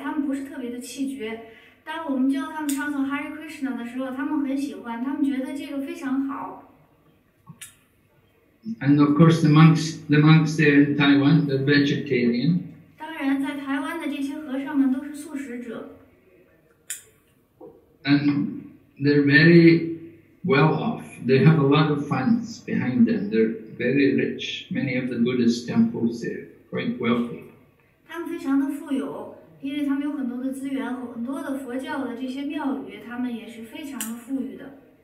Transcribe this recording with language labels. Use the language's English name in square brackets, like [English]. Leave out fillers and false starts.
[Chinese] 而在台湾大家相信的都是大乘佛教的这种流派，他们不是特别的气绝。当我们教他们唱诵 Hare Krishna 的时候，他们很喜欢，他们觉得这个非常好。 [English] And of course, the monks there in Taiwan, they're vegetarian. [Chinese] 当然，在台湾的这些和尚们都是素食者。 [English] And they're very well off. They have a lot of funds behind them. They're very rich. Many of the Buddhist temples there, quite wealthy. [Chinese] 他们非常的富有，因为他们有很多的资源，很多的佛教的这些庙宇，他们也是非常的富裕的。